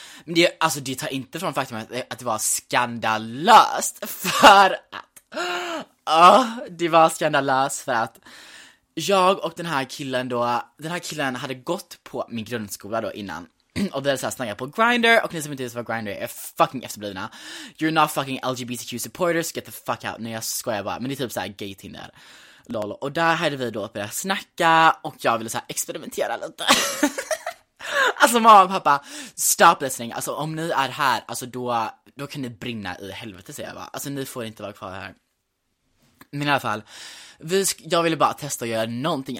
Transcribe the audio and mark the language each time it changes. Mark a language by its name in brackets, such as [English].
[Swedish] Men det, alltså det tar inte från faktum att det var skandalöst. För att det var skandalöst för att jag och den här killen då, den här killen hade gått på min grundskola då innan. Och det är såhär snaggat på Grindr. Och ni som inte vet vad Grindr är fucking efterblivna. [English] You're not fucking LGBTQ supporters, get the fuck out. [Swedish] Nej, jag skojar bara. Men det är typ såhär gay Tinder, lol. Och där hade vi då börjat snacka, och jag ville såhär experimentera lite. Alltså mamma och pappa, [English] stop listening. [Swedish] Alltså om ni är här, alltså då kan ni brinna i helvete, säger jag bara. Alltså ni får inte vara kvar här. Men i alla fall, jag ville bara testa att göra någonting.